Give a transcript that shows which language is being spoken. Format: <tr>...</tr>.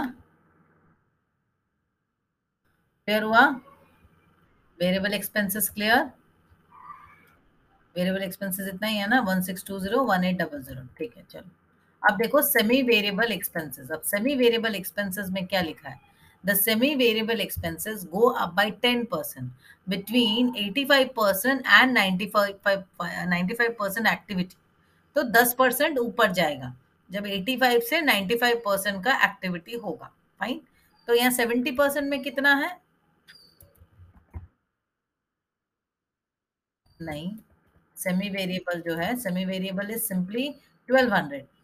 <hi>Clear हुआ? Variable expenses clear? Variable expenses इतना ही है ना, 1,620, 1,800, ठीक है। चलो अब देखो सेमी वेरिएबल एक्सपेंसेस। अब सेमी वेरिएबल एक्सपेंसेस में क्या लिखा है?</hi> <en>The semi-variable expenses go up by 10% between 85% and 95% activity.</en> <hi>तो 10% ऊपर जाएगा जब 85 से 95% का activity होगा, fine? तो यहाँ 70% में कितना है? नहीं, सेमी वेरिएबल जो है, सेमी वेरिएबल</hi> <en>is simply</en> <hi>1200।</hi>